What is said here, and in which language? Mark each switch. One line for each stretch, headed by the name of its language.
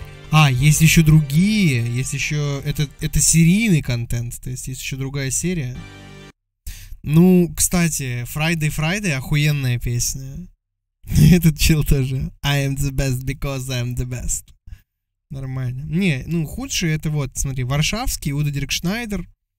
Russian: А, есть еще другие, есть еще... это серийный контент, то есть еще другая серия. Ну, кстати, Friday Friday — охуенная песня. Этот чел тоже.
English: I am the best because I am the best.
Russian: Нормально. Не, ну, худший — это вот, смотри, Варшавский, Удо Диркшнайдер,